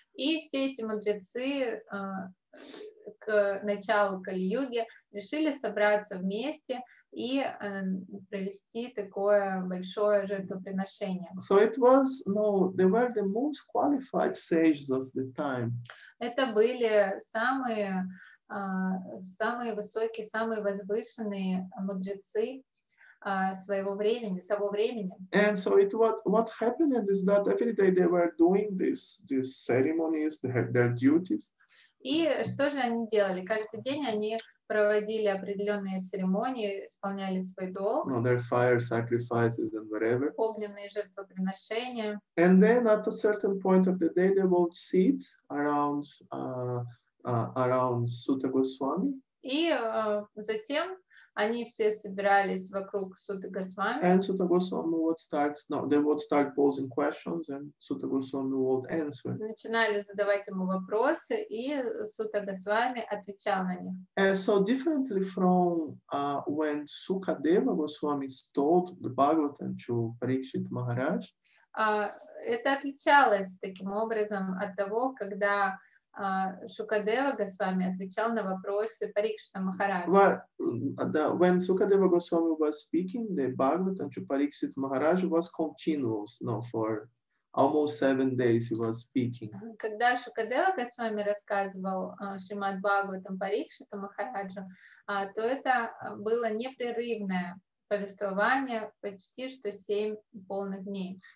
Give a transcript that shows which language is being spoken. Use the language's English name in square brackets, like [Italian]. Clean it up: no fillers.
[Russian] И все эти мудрецы к началу Кали-юги решили собраться вместе и провести такое большое жертвоприношение. [English] So it was, no, they were the most qualified sages of the time. [Russian] Это были самые самые высокие, самые возвышенные мудрецы своего времени, того времени. [English] And so it what happened is that every day they were doing these ceremonies, their duties. [Russian] И что же они делали? Каждый день они проводили определенные церемонии, исполняли свой долг. [English] No, their fire sacrifices and whatever. [Russian] Огненные жертвоприношения. [English] And then at a certain point of the day they would sit around around Sutta Goswami. [Russian] И затем они все собирались вокруг Сута Госвами. [English] And Sutta Goswami would start, they would start posing questions, and Sutta Goswami would answer. [Russian] Начинали задавать ему вопросы, и Сута Госвами отвечал на них. [English] And so differently from when Sukadeva Goswami told the Bhagavatam to Parikshit Maharaj. [Russian] Это отличалось таким образом от того, когда Sukadeva Goswami отвечал на вопросы Parikshita Maharaj. [English] When Sukadeva Goswami was speaking, the Bhagavatam to Parikshit Maharaj was continuous, for almost 7 days he was speaking. [Russian] Когда Sukadeva Goswami рассказывал Шримад Бхагаватам Парикшиту Махараджу, то это было непрерывное повествование почти что 7 полных дней.